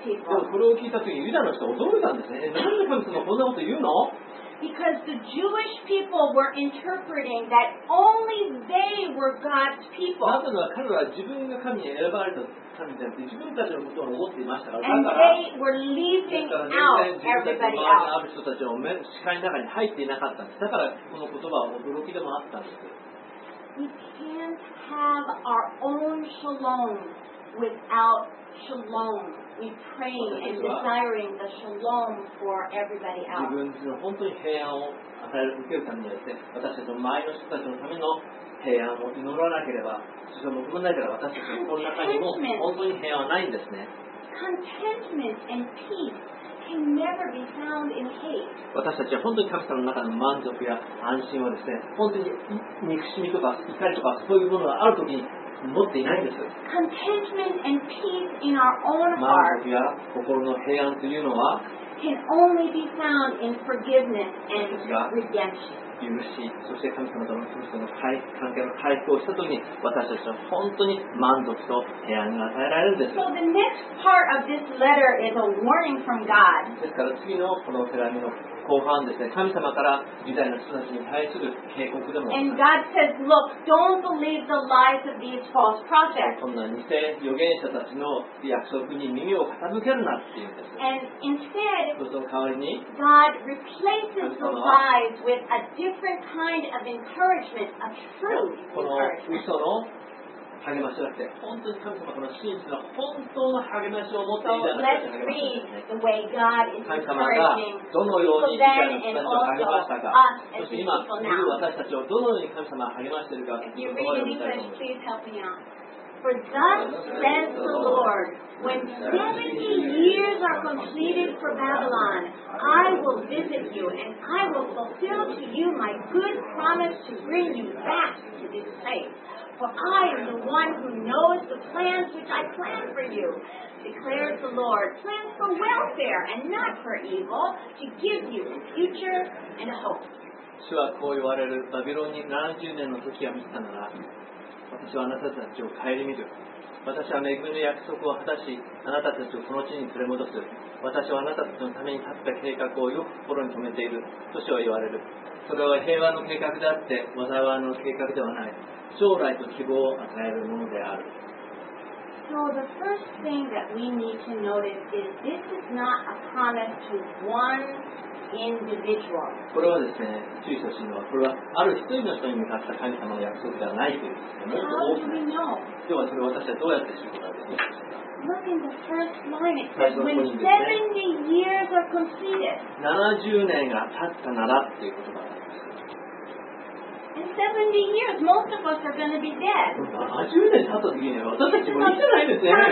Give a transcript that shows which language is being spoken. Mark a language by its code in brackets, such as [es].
[ja] これを聞いた時、ユダの人は驚いたんですね。なんで神様こんなこと言うの？ [en] Because the Jewish people were interpreting that only they were God's people. [ja] なぜなら彼らは自分が神に選ばれた民であって自分たちのことを思っていましたから。 [en] And they were leaving out everybody else. [ja] だから自分たちの周りにある人たちの視界の中に入っていなかったんです。だからこの言葉は驚きでもあったんです。 [en] We can't have our own shalom without shalom. [ja] 自分自身の本当に平安を与える受けるためにですね、私たちの周りの人たちのための平安を祈らなければ、そして求めないから、私たちの心の中にも本当に平安はないんですね。 [en] Contentment and peace can never be found in hate. [ja] 私たちは本当に神様の中の満足や安心はですね、本当に憎しみとか怒りとかそういうものがあるときに持っていないんです。 [en] Contentment and peace in our own heart [ja] や心の平安というのは [en] can only be found in forgiveness and redemption. [ja] 許し、そして神様との関係の回復をしたときに、私たちは本当に満足と平安が与えられるんです。 [en] So the next part of this letter is a warning from God. [ja] ですから次のこの手紙の後半ですね、神様からユダヤの人たちに対する警告でもあります。そんな偽預言者たちの約束に耳を傾けるなって言うんです。そして代わりに、神様はその偽預言者たちのそして代わりに、 [en] kind of encouragement of truth. [ja] この嘘の励ましじゃなくて、本当に神様この真実の本当の励ましを持っていただきたい。神様がどのようにたちを励ましたか、そして今いる私たちをどのように神様が励ましているか、 [en] For thus says the Lord, when 70 years are completed for Babylon, I will visit you, and I will fulfill to you my good promise to bring you back to this place. For I am the one who knows the plans which I plan for you, declares the Lord, plans for welfare and not for evil, to give you a future and a hope. [ja] 主はこう言われる。バビロンに70年の時は満ちたなら、私はあなたたちを顧みる。私は恵みの約束を果たし、あなたたちをこの地に連れ戻す。私はあなたたちのために立った計画をよく心に留めている。と主は言われる。それは平和の計画であって災いの計画ではない、将来と希望を与えるものである。 [en] So the first thing that we need to notice is this is not a promise to one individual. [ja] これはですね、注意してほしいのは、これはある一人の人に向かった神様の約束ではないということです。 [en] How do we know? [ja] ではそれを私はどうやって知ることができるか。 [en] Look in the first line. It says, "When 70 years are completed." [ja] 70年が経ったならっていう言葉があります。 [en] In 70 years, most of us are going to be dead. [ja] 70年経った時には私たちも生きてないですね。